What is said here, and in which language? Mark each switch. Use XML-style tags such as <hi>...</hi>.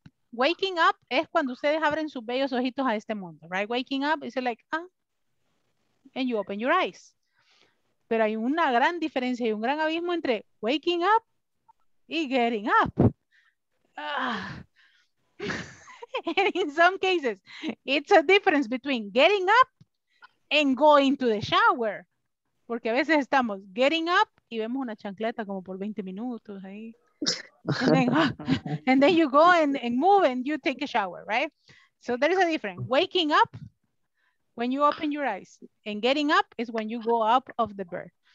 <es>Waking up es cuando ustedes abren sus bellos ojitos a este mundo, right?</es> <en>Waking up is like, ah, and you open your eyes.</en> <es>Pero hay una gran diferencia y un gran abismo entre waking up y getting up.</es> <en>And in some cases, it's a difference between getting up and going to the shower.</en> <es>Porque a veces estamos getting up y vemos una chancleta como por 20 minutos ahí.</es> <en>And then you go and move and you take a shower, right? So there is a difference. Waking up, when you open your eyes. And getting up is when you go up of the bed.</en>